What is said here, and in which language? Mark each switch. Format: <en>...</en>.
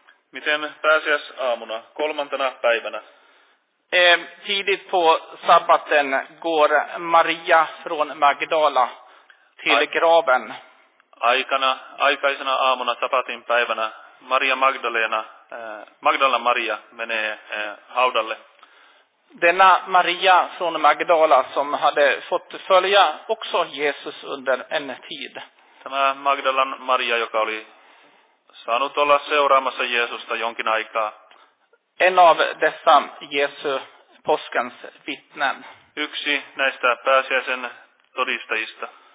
<fi>Miten pääsiäisaamuna, kolmantena päivänä.</fi> <sv>Tidigt på sabbaten går Maria från Magdala till graven.</sv> <fi>Aikaisena aamuna sabbatin päivänä. Maria Magdalena, Magdala Maria menee haudalle.</fi> <sv>Denna Maria från Magdala som hade fått följa också Jesus under en tid.</sv> <fi>Tämä Magdalan Maria, joka oli saanut olla seuraamassa Jeesusta jonkin aikaa.</fi> <sv>En av dessa Jesu påskens vittnen.</sv> <fi>Yksi näistä pääsiäisen todistajista.</fi>